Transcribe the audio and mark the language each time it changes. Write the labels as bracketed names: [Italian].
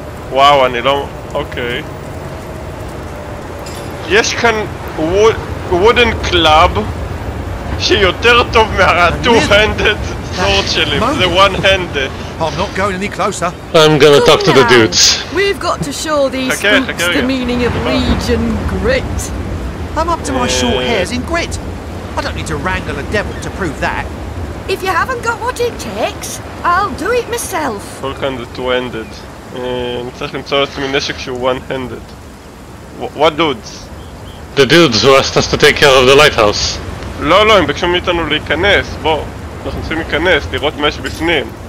[Hebrew] וואו, אני לא... אוקיי. יש כאן [English] wooden club [Hebrew] שיותר טוב מה-two-handed sword שלי, זה one-handed. [English] I'm not going any closer. I'm gonna talk to the dudes. We've got to show these spooks the meaning of legion grit. I'm up to my short hairs in grit. I don't need to wrangle a devil to prove that. If you haven't got what it takes, I'll do it myself. All kinds of two-handed. [Hebrew] אני צריך למצוא לעצמי נשק שהוא one-handed. [English] What dudes? The dudes who asked us to take care of the lighthouse. [Hebrew] לא, לא, הם ביקשו מאיתנו להיכנס, בוא. אנחנו צריכים להיכנס, לראות מה יש בפנים.